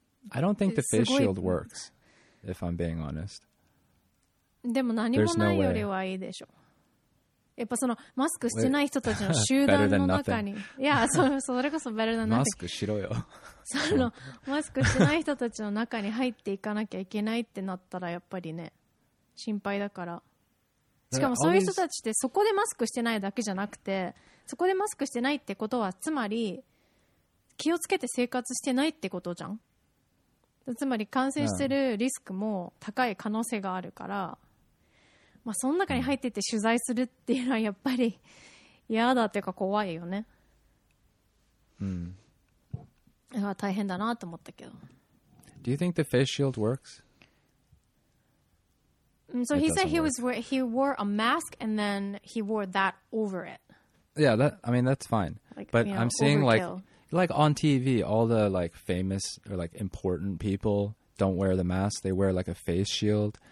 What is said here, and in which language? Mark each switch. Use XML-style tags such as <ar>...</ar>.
<en>I don't think the face shield works, if I'm being honest.</en> <ja>でも何もないよりはいいでしょ。やっぱそのマスクしてない人たちの集団の中に、いや、それこそ</ja> <en>better than nothing。</en> <ja>マスクしろよ。そのマスクしてない人たちの中に入っていかなきゃいけないってなったら、やっぱりね、心配だから。しかもそういう人たちってそこでマスクしてないだけじゃなくて、そこでマスクしてないってことは、つまり気をつけて生活してないってことじゃん。つまり感染してるリスクも高い可能性があるから、まあ、その中に入ってて取材するっていうのはやっぱり嫌だっていうか怖いよね。うん。大変だなと思ったけど。</ja> <en>Do you think the face shield works? So he said he wore a mask and then he wore that over it. Yeah, that, I mean, that's fine. Like, but you know, I'm seeing like on TV, all the like famous or like important people don't wear the mask. They wear like a face shield.</en>